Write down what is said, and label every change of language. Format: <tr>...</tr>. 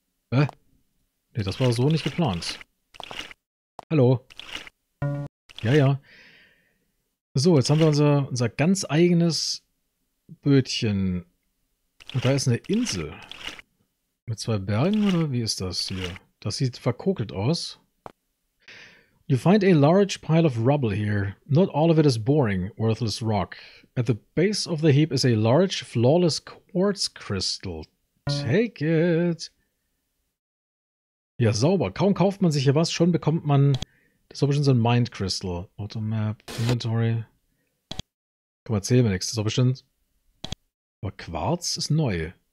<de>Nee, das war so nicht geplant. Hallo. Ja. So, jetzt haben wir unser ganz eigenes Bötchen. Und da ist eine Insel. Mit zwei Bergen, oder wie ist das hier? Das sieht verkokelt aus.</de> <en>You find a large pile of rubble here. Not all of it is boring, worthless rock. At the base of the heap is a large, flawless quartz crystal. Take it.</en> <de>Ja, sauber. Kaum kauft man sich hier was, schon bekommt man. Das ist bestimmt so ein Mind Crystal. Automap, Inventory. Komm, erzähl mir nichts. Das ist bestimmt. Aber Quarz ist neu.</de>